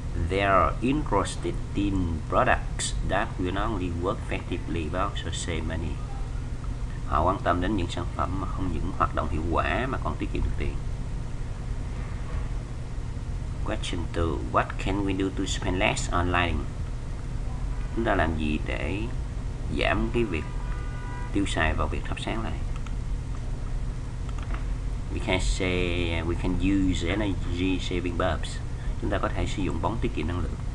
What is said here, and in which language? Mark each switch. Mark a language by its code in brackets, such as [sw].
[en] They are interested in products that will not only work effectively but also save money. [vi] Họ quan tâm đến những sản phẩm mà không những hoạt động hiệu quả mà còn tiết kiệm được tiền. [en] Question 2. What can we do to spend less online? [vi] Chúng ta làm gì để giảm cái việc tiêu xài vào việc thắp sáng lại? [en] We can say we can use energy saving bulbs. [vi] Chúng ta có thể sử dụng bóng tiết kiệm năng lượng.